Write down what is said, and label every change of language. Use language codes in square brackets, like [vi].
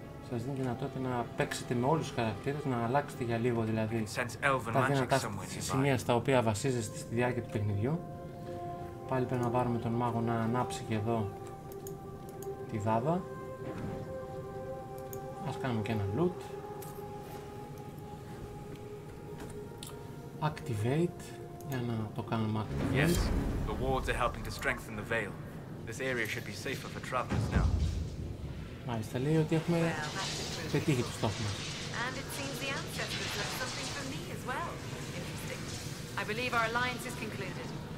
[el] Σας δίνει δυνατότητα να παίξετε με όλους τους χαρακτήρες, να αλλάξετε για λίγο δηλαδή τα δυνατά σημεία στα οποία βασίζεστε στη διάρκεια του παιχνιδιού. Πάλι πρέπει να πάρουμε τον μάγο να ανάψει και εδώ τη δάδα. Ας κάνουμε και ένα loot. Activate, για να το κάνουμε activate. [en] Yes, the wards are helping to strengthen the veil. This area should be safer for travelers now. [el] Μάλιστα, λέει ότι έχουμε πετύχει το στόχο μας. [en] And it seems the ancestors left something for me as well. Interesting. I believe our alliance is concluded.